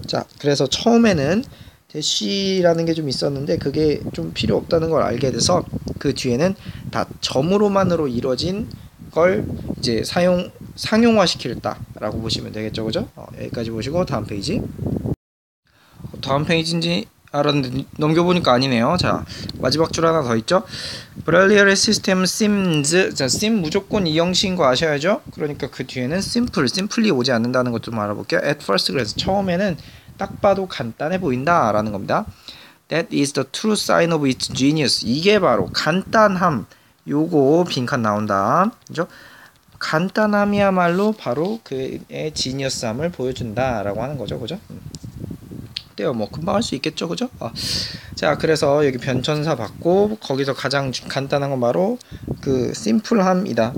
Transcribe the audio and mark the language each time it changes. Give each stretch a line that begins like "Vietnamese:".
Korean: 자, 그래서 처음에는 대시라는 게 좀 있었는데 그게 좀 필요 없다는 걸 알게 돼서 그 뒤에는 다 점으로만으로 이루어진 걸 이제 상용화 시킬다 라고 보시면 되겠죠, 그죠? 여기까지 보시고 다음 페이지. 다음 페이지인지 알았는데 넘겨보니까 아니네요. 자 마지막 줄 하나 더 있죠. 브랄리어의 시스템 심즈. 자 심 무조건 이형식인 거 아셔야죠. 그러니까 그 뒤에는 심플, 심플리 오지 않는다는 것도 알아볼게요.
English: At first,
Korean: 그래서 처음에는 딱 봐도 간단해 보인다라는 겁니다.
English: That is the true sign of its genius.
Korean: 이게 바로 간단함. 요거 빈칸 나온다. 그죠? 간단함이야말로 바로 그의 지니어스함을 보여준다라고 하는 거죠. 그죠? 어때요? 뭐 금방 할 수 있겠죠. 그죠? 아. 자, 그래서 여기 변천사 받고 거기서 가장 간단한 건 바로 그 심플함이다.